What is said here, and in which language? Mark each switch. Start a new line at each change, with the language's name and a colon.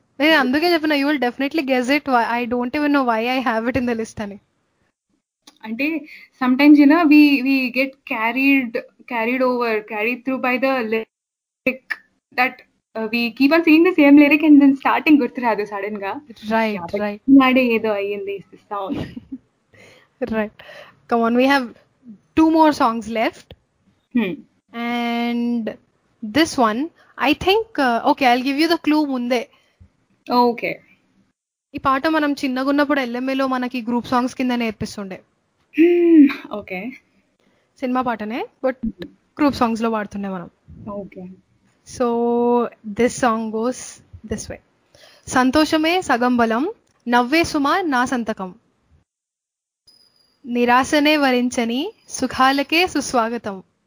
English: Hey, Anduke Japana, you will definitely guess it. I don't even know why I have it in the list, honey. అంటే sometimes you know we get carried over, carried through by the lyric that we keep on seeing the same lyric and then starting
Telugu: గుర్తురాదు sudden గా,
English: Right,
Telugu: యాభై
English: right.
Telugu: నాడే ఏదో అయ్యింది
English: Is this sound. Right. Come on, we have two more songs left. And this one, I think, okay, I'll give you the clue ముందే. Okay
Telugu: ఈ పాట మనం చిన్నగా ఉన్నప్పుడు ఎల్ఎంఏలో మనకి గ్రూప్ సాంగ్స్ కింద నేర్పిస్తుండే.
English: okay
Telugu: సినిమా పాటనే బట్ గ్రూప్ సాంగ్స్లో వాడుతుండే మనం.
English: Okay so this song goes this way.
Telugu: సంతోషమే సగం బలం, నవ్వే సుమ నా సంతకం, నిరాశనే వరించని సుఖాలకే సుస్వాగతం.